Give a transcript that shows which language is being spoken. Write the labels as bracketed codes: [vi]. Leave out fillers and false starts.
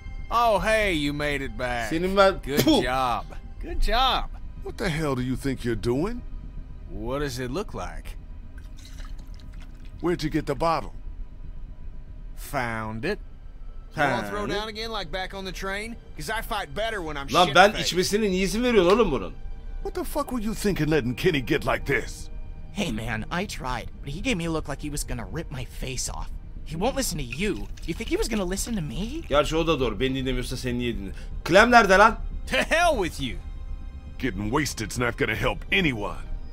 [en] Oh hey, you made it back. [tr] Senin ben... [en] Good job. Good job. What the hell do you think you're doing? What does it look like? Where'd you get the bottle? Found it. You wanna throw down again like back on the train? Cause I fight better when I'm shit-faced. [tr] Lan ben içmesine niye izin veriyorsun oğlum bunun? [en] What the fuck were you thinking letting Kenny get like this? Hey man, I tried, but he gave me a look like he was gonna rip my face off. He won't listen to you. You think he was gonna listen to me? [tr] Gerçi o da doğru. Beni dinlemiyorsa sen niye dinledin? Clem nerede lan? [en] To hell with you! Getting wasted's not gonna help anyone.